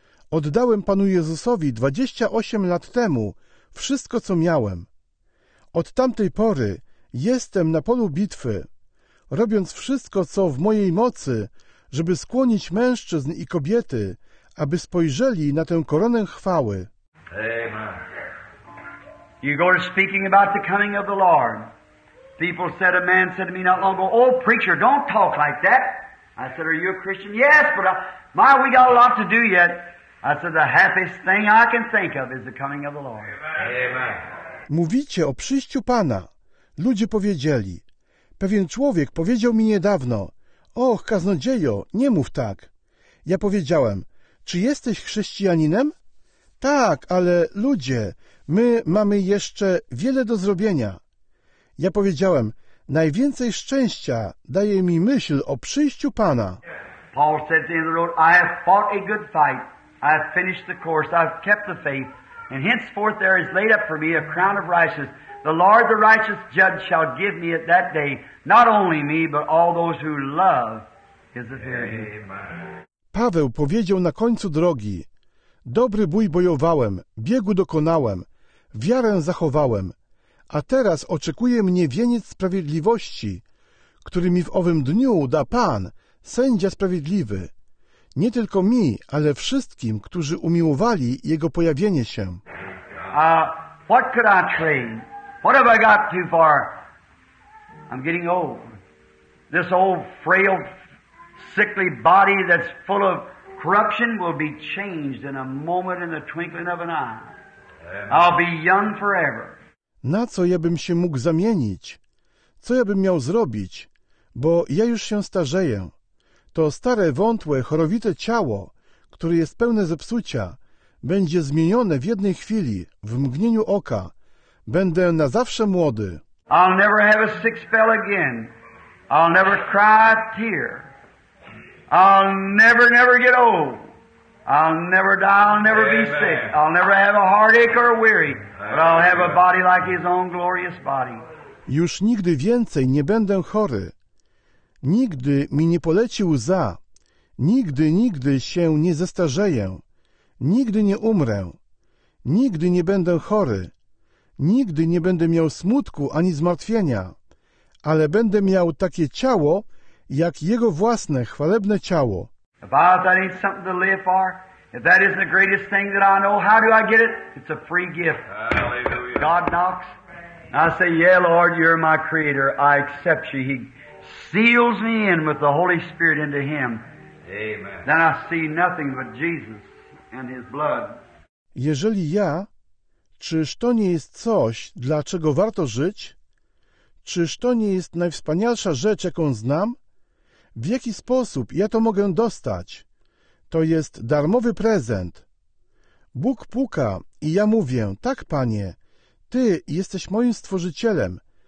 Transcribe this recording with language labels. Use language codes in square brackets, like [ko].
[pl] Oddałem Panu Jezusowi 28 lat temu wszystko, co miałem. Od tamtej pory jestem na polu bitwy, robiąc wszystko, co w mojej mocy, żeby skłonić mężczyzn i kobiety, aby spojrzeli na tę koronę chwały. Amen. [en] You go to speaking about the coming of the Lord. People said, a man said to me not long ago, oh, preacher, don't talk like that. I said, are you a Christian? Yes, but we got a lot to do yet. I said, the happiest thing I can think of is the coming of the Lord. Amen. [pl] Mówicie o przyjściu Pana. Ludzie powiedzieli. Pewien człowiek powiedział mi niedawno, och, kaznodziejo, nie mów tak. Ja powiedziałem, czy jesteś chrześcijaninem? Tak, ale ludzie, my mamy jeszcze wiele do zrobienia. Ja powiedziałem, najwięcej szczęścia daje mi myśl o przyjściu Pana. [en] Paul said to the end of the road, I have fought a good fight. I have finished the course, I have kept the faith, and henceforth there is laid up for me a crown of righteousness. The Lord, the righteous judge, shall give me at that day, not only me, but all those who love his appearing. Amen. [pl] Paweł powiedział na końcu drogi: dobry bój bojowałem, biegu dokonałem, wiarę zachowałem, a teraz oczekuje mnie wieniec sprawiedliwości, który mi w owym dniu da Pan, sędzia sprawiedliwy, nie tylko mi, ale wszystkim, którzy umiłowali Jego pojawienie się. [en] What could I trade? What have I got too far? I'm getting old. This old frail, sickly body that's full of corruption will be changed in a moment, in the twinkling of an eye. I'll be young forever. [pl] Na co ja bym się mógł zamienić? Co ja bym miał zrobić? Bo ja już się starzeję. To stare, wątłe, chorowite ciało, które jest pełne zepsucia, będzie zmienione w jednej chwili, w mgnieniu oka. Będę na zawsze młody. [en] I'll never have a sick spell again. I'll never cry a tear. I'll never, never get old. I'll never die. I'll never be sick. I'll never have a heartache or a weary. But I'll have a body like His own glorious body. [pl] Już nigdy więcej nie będę chory. Nigdy mi nie poleci łza. Nigdy, nigdy się nie zestarzeję. Nigdy nie umrę. Nigdy nie będę chory. Nigdy nie będę miał smutku ani zmartwienia. Ale będę miał takie ciało, jak Jego własne, chwalebne ciało. [en] If I, that ain't something to live for, if that isn't the greatest thing that I know, how do I get it? It's a free gift. Hallelujah. God knocks. And I say, yeah, Lord, you're my creator. I accept you. He seals me in with the Holy Spirit into Him. Amen. Then I see nothing but Jesus and His blood. [pl] Jeżeli ja, czyż to nie jest coś, dla czego warto żyć? Czyż to nie jest najwspanialsza rzecz, jaką znam? W jaki sposób ja to mogę dostać? To jest darmowy prezent. Bóg puka i ja mówię: tak, Panie, Ty jesteś moim Stworzycielem.